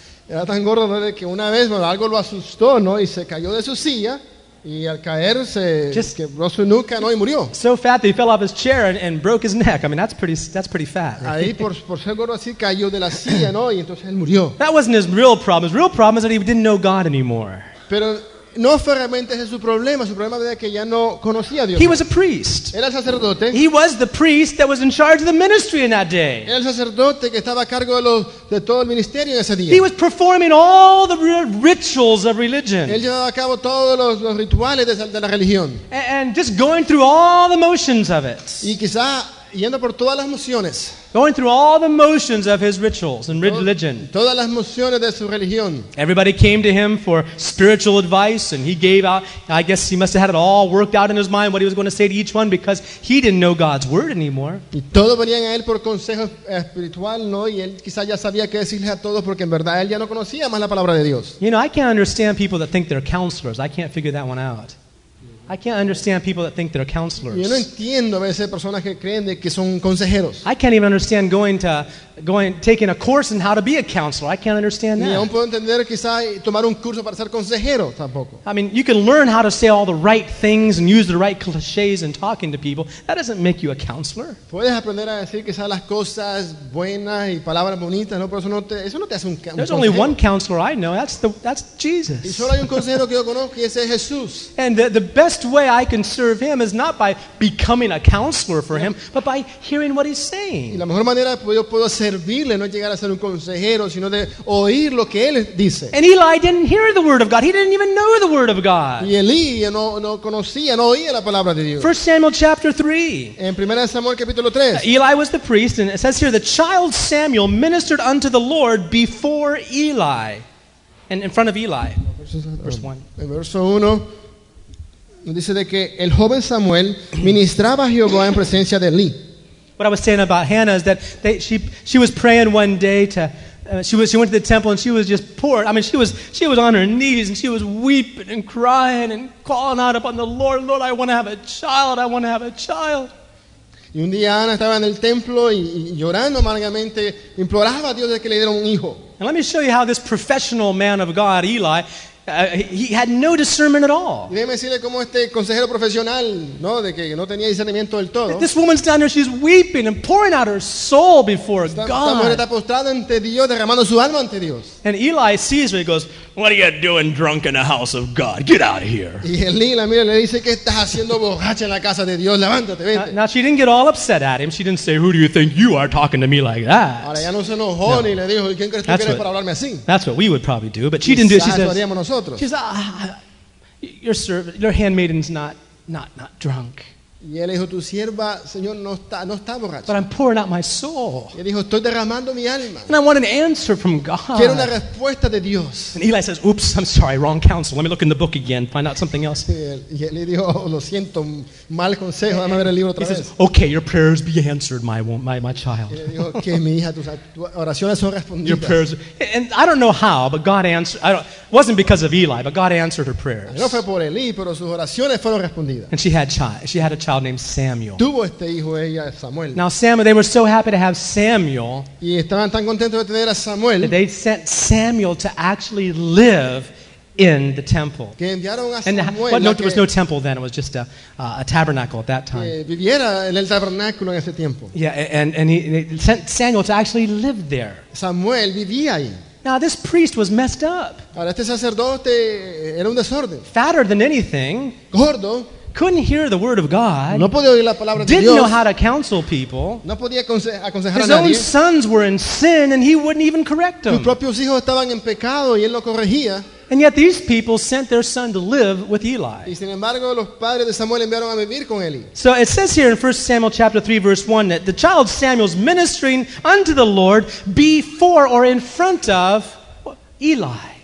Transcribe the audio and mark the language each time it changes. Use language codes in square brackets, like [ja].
[es] Era tan gordo que una vez algo lo asustó, ¿no? Y se cayó de su silla. Y al caer se quebró su nuca, ¿no? Y murió. [en] So fat that he fell off his chair and broke his neck. I mean, that's pretty fat. Right? [es] Ahí por ser gordo así cayó de la silla, ¿no? Y entonces él murió. [en] That wasn't his real problem. His real problem is that he didn't know God anymore. [es] Pero no fue realmente ese su problema. Su problema era que ya no conocía a Dios. [en] He was a priest. [es] Era el sacerdote. [en] He was the priest that was in charge of the ministry in that day. [es] Era el sacerdote que estaba a cargo de todo el ministerio en ese día. [en] He was performing all the rituals of religion. [es] Él llevaba a cabo todos los rituales de la religión. [en] And just going through all the motions of it. [es] Y quizá yendo por todas las mociones. [en] Going through all the motions of his rituals and religion. [es] Todas las mociones de su religión. [en] Everybody came to him for spiritual advice, and he gave out. I guess he must have had it all worked out in his mind what he was going to say to each one, because he didn't know God's word anymore. [es] Y todos venían a él por consejo espiritual, ¿no? Y él quizás ya sabía qué decirles a todos, porque en verdad él ya no conocía más la palabra de Dios. [en] You know, I can't understand people that think they're counselors. I can't figure that one out. I can't understand people that think they're counselors. [es] Yo no entiendo a veces personas que creen de que son consejeros. [en] I can't even understand taking a course in how to be a counselor. I can't understand that. [es] Ni aún puedo entender quizá tomar un curso para ser consejero tampoco. [en] I mean, you can learn how to say all the right things and use the right clichés in talking to people. That doesn't make you a counselor. [es] Puedes aprender a decir quizá las cosas buenas y palabras bonitas, ¿no? Pero eso no te hace un consejero. [en] There's only one counselor I know. That's Jesus. [es] Y solo hay un consejero que yo conozco, y ese es Jesús. [en] And the best way I can serve him is not by becoming a counselor for him, but by hearing what he's saying. [es] Y la mejor manera que yo puedo hacer servirle, no llegar a ser un consejero, sino de oír lo que él dice. [en] And Eli didn't hear the word of God. He didn't even know the word of God. [es] Y Eli no conocía, no oía la palabra de Dios. [en] 1 Samuel chapter 3. [es] En 1 Samuel capítulo 3. [en] Eli was the priest, and it says here, the child Samuel ministered unto the Lord before Eli. And in front of Eli. Verse 1. [es] Dice de que el joven Samuel ministraba a Jehová en presencia de Eli. [en] What I was saying about Hannah is that she was praying one day she went to the temple, and she was just poor. I mean, she was on her knees, and she was weeping and crying and calling out upon the Lord. Lord, I want to have a child. I want to have a child. [es] Y un día Ana estaba en el templo y llorando amargamente, imploraba a Dios de que le diera un hijo. [en] And let me show you how this professional man of God, Eli, he had no discernment at all. [es] Déjeme decirle cómo este consejero profesional, ¿no? De que no tenía discernimiento del todo. [en] This woman's down there, she's weeping and pouring out her soul before God. [es] Esta mujer está postrada ante Dios, derramando su alma ante Dios. [en] And Eli sees her, he goes, "What are you doing drunk in the house of God? Get out of here." [es] Y Eli la mira, le dice, "¿Qué estás haciendo borracha en la casa de Dios? Levántate, vete." [en] Now she didn't get all upset at him. She didn't say, "Who do you think you are talking to me like that?" [es] Ahora ya no se enojó ni le dijo, "¿Quién crees tú que eres para hablarme así?" [en] That's what we would probably do, but she didn't do it. She says, "Your servant, your handmaiden's not drunk." [es] Y él dijo, "Tu sierva, señor, no está borracha." [en] But I'm pouring out my soul. [es] Y él dijo, "Estoy derramando mi alma." [en] And I want an answer from God. [es] Quiero una respuesta de Dios. [en] And Eli says, "Oops, I'm sorry, wrong counsel. Let me look in the book again, find out something else." [es] Y él dijo, "Lo siento, mal consejo. Dame ver el libro otra vez." [en] He says, "Okay, your prayers be answered, my child." [es] Y dijo, "Que mi hija, tus oraciones son respondidas." [en] Your prayers, and I don't know how, but God answered. It wasn't because of Eli, but God answered her prayers. [es] No fue por Eli, pero sus oraciones fueron respondidas. [en] And she had a child named Samuel. [es] Tuvo este hijo ella, Samuel. [en] Now Samuel, they were so happy to have Samuel. [es] Y estaban tan contentos de tener a Samuel. [en] That they sent Samuel to actually live in the temple. [es] Que enviaron a [en] and Samuel, but no, there was no temple then. It was just a tabernacle at that time. [es] Que viviera en el tabernáculo en ese tiempo. [en] Yeah, and he sent Samuel to actually live there. [es] Samuel vivía ahí. [en] Now this priest was messed up. [es] Ahora, este sacerdote era un desorden. [en] Fatter than anything. [es] Gordo. [en] couldn't hear the word of God. [es] No podía oír la palabra de Dios. [en] Didn't know how to counsel people. [es] No podía aconsejar [en] His [es] a nadie. [en] Own sons were in sin and he wouldn't even correct them. [es] Sus propios hijos estaban en pecado y él lo corregía. [en] And yet these people sent their son to live with Eli. [es] Y sin embargo, los padres de Samuel enviaron a vivir con Eli. [en] So it says here in 1 Samuel chapter 3 verse 1 that the child Samuel's ministering unto the Lord before or in front of Eli.